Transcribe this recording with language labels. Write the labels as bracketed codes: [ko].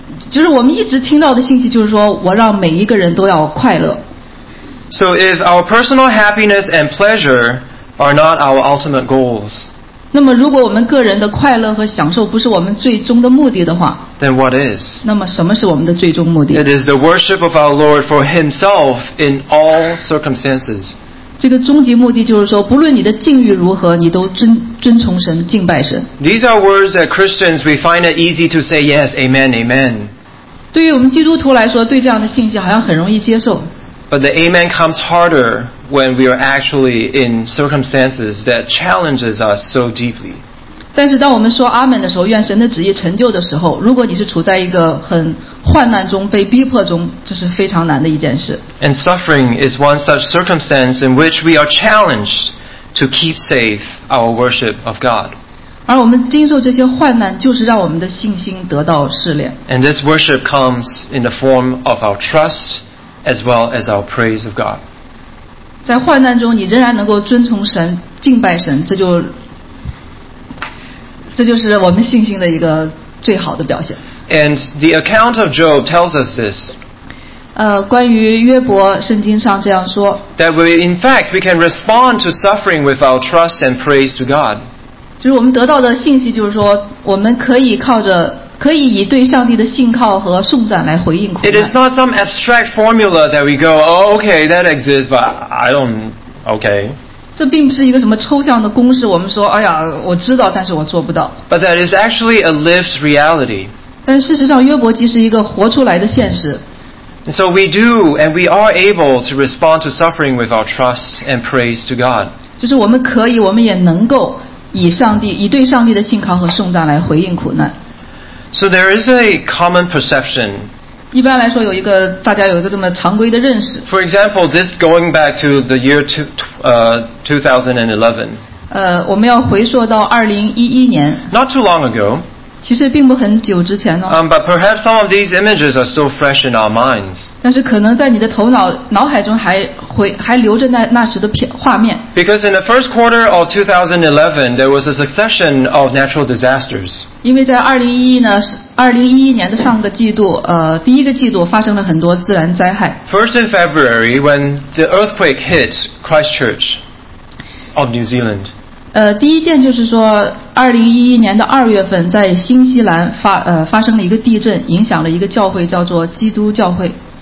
[zh] 就是我们一直听到的信息就是说我让每一个人都要快乐。 [en] So if our personal happiness and pleasure are not our ultimate goals, [zh] 那么如果我们个人的快乐和享受不是我们最终的目的的话, [en] then what is? [zh] 那么什么是我们的最终目的? [en] It is the worship of our Lord for Himself in all circumstances. [zh] 这个终极目的就是说，不论你的境遇如何，你都遵从神，敬拜神。 [en] These are words that Christians we find it easy to say yes, amen, amen. [zh] 对于我们基督徒来说，对这样的信息好像很容易接受。 [en] But the amen comes harder when we are actually in circumstances that challenges us so deeply. [zh] 但是当我们说阿门的时候，愿神的旨意成就的时候，如果你是处在一个很患难中被逼迫中，这是非常难的一件事。 [en] And suffering is one such circumstance in which we are challenged to keep safe our worship of God. [zh] 而我们经受这些患难就是让我们的信心得到试炼。 [en] And this worship comes in the form of our trust as well as our praise of God. [zh] 在患难中你仍然能够遵从神，敬拜神，这就是我们信心的一个最好的表现。 [en] And the account of Job tells us this. [zh] 关于约伯，圣经上这样说。 [en] That we, in fact, we can respond to suffering with our trust and praise to God. [zh] 就是我们得到的信息，就是说，我们可以靠着，可以以对上帝的信靠和颂赞来回应苦难。 [en] It is not some abstract formula that we go, oh, okay, that exists, but I don't, okay. [zh] 这并不是一个什么抽象的公式，我们说，哎呀，我知道，但是我做不到。 [en] But that is actually a lived reality. [zh] 但事实上，约伯记是一个活出来的现实。 [en] And so we do, and we are able to respond to suffering with our trust and praise to God. [zh] 就是我们可以，我们也能够以上帝，以对上帝的信靠和颂赞来回应苦难。 [en] So there is a common perception. [zh] 一般来说有一个大家有一个这么常规的认识。 [en] For example, this going back to the year 2011. [zh] 我们要回溯到2011年。 [en] Not too long ago. [zh] 其实并不很久之前哦。 [en] But perhaps some of these images are still fresh in our minds. [zh] 但是可能在你的头脑脑海中还留着那时的画面。 [en] Because in the first quarter of 2011, there was a succession of natural disasters. [zh] 因为在2011年的上个季度，第一个季度发生了很多自然灾害。 [en] First in February, when the earthquake hit Christchurch of New Zealand. [zh] 第一件就是说2011年的二月份在新西兰发生了一个地震，影响了一个教会，叫做基督教会。